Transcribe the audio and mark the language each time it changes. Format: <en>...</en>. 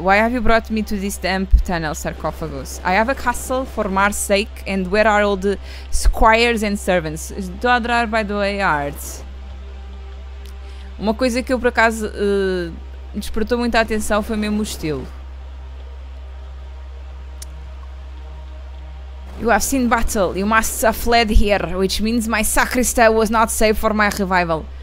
<en>Why have you brought me to this damp tunnel sarcophagus? I have a castle for Mar's sake and where are all the squires and servants?</en> <pt>Estou a adorar,</pt> <en>by the way,</en> <pt>a arte. Uma coisa que eu por acaso despertou muita atenção foi mesmo o estilo.</pt> <en>You have seen battle. You must have fled here, which means my sacrista was not safe for my revival.</en>